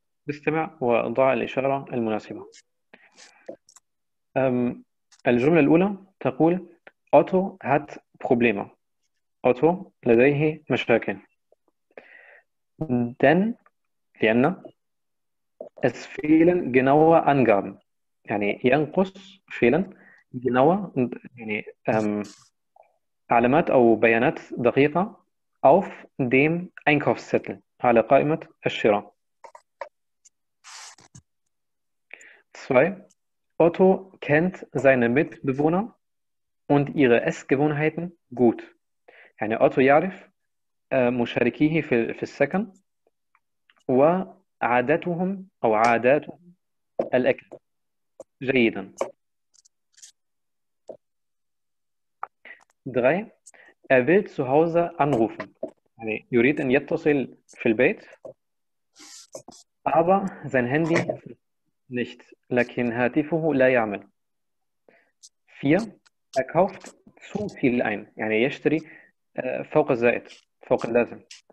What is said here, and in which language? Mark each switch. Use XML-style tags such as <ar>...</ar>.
<ar>استمع وضع الإشارة المناسبة. الجملة الأولى تقول Otto hat Probleme. Otto لديه مشاكل.</ar> <de>Denn لأن Es fehlen genaue Angaben.</de> <ar>يعني ينقص فعلا جنوة يعني علامات أو بيانات دقيقة auf dem Einkaufszettel على قائمة الشراء. 2.</ar> <de>Otto kennt seine Mitbewohner und ihre Essgewohnheiten gut.</de> <ar>يعني Otto يعرف مشاركيه في السكن وعاداتهم أو عادات الأكل جيدا.</ar> <de>3. Er will zu Hause anrufen.</de> <ar>يعني يريد أن يتصل في البيت aber sein Handy nicht, لكن هاتفه لا يعمل. 4 er kauft zu viel ein, يعني يشتري فوق الزائد فوق اللازم.</ar>